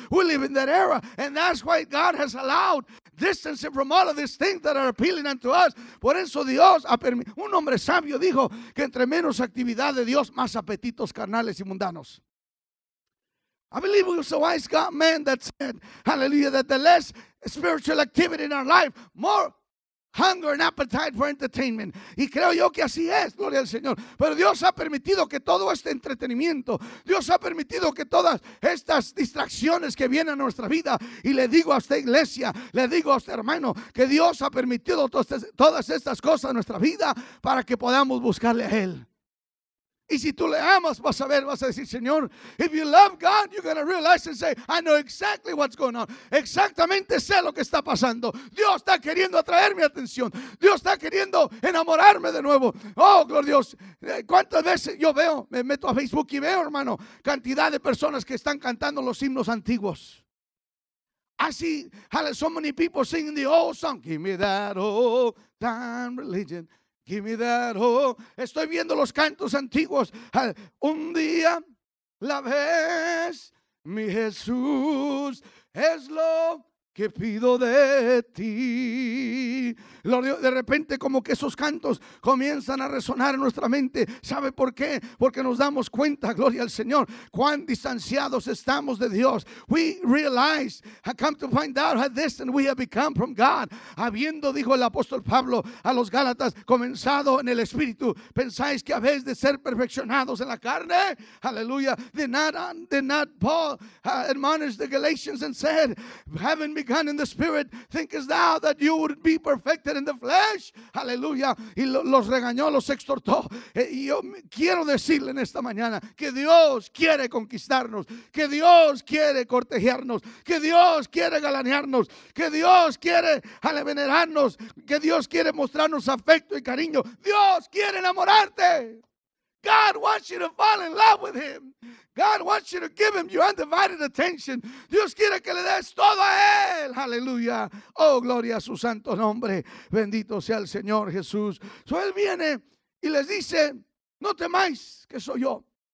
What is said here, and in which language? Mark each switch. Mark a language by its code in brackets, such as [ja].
[en] We live in that era, and that's why God has allowed distancing from all of these things that are appealing unto us. [es] Por eso Dios ha permitido. Un hombre sabio dijo que entre menos actividad de Dios, más apetitos carnales y mundanos. [en] I believe it was a wise God man that said, hallelujah, that the less spiritual activity in our life, more hunger and appetite for entertainment. [es] Y creo yo que así es, gloria al Señor. Pero Dios ha permitido que todo este entretenimiento, Dios ha permitido que todas estas distracciones que vienen a nuestra vida, y le digo a esta iglesia, le digo a este hermano, que Dios ha permitido todas estas cosas en nuestra vida para que podamos buscarle a Él. Y si tú le amas, vas a ver, vas a decir, Señor, [en] if you love God, you're going to realize and say, I know exactly what's going on. [es] Exactamente sé lo que está pasando. Dios está queriendo atraer mi atención. Dios está queriendo enamorarme de nuevo. Oh, gloria a Dios. ¿Cuántas veces yo veo, me meto a Facebook y veo, hermano, cantidad de personas que están cantando los himnos antiguos? [en] I see so many people singing the old song. Give me that old time religion. Give me that, oh. [es] Estoy viendo los cantos antiguos. Un día la ves, mi Jesús es lo que pido de ti. De repente como que esos cantos comienzan a resonar en nuestra mente. ¿Sabe por qué? Porque nos damos cuenta, gloria al Señor, cuán distanciados estamos de Dios. [en] We realize, I come to find out how distant we have become from God. [es] Habiendo, dijo el apóstol Pablo a los Gálatas, comenzado en el Espíritu, pensáis que habéis de ser perfeccionados en la carne. Aleluya. [en] Did not Paul admonish the Galatians and said, having begun in the spirit, thinkest thou that you would be perfected in the flesh? [es] Hallelujah. Y los regañó, los exhortó. Y yo quiero decirle en esta mañana que Dios quiere conquistarnos, que Dios quiere cortejarnos, que Dios quiere galanearnos, que Dios quiere venerarnos, que Dios quiere mostrarnos afecto y cariño. Dios quiere enamorarte. [en] God wants you to fall in love with him. God wants you to give him your undivided attention. [es] Dios quiere que le des todo a él. Aleluya. Oh, gloria a su santo nombre. Bendito sea el Señor Jesús. So él viene y les dice, no temáis que soy yo.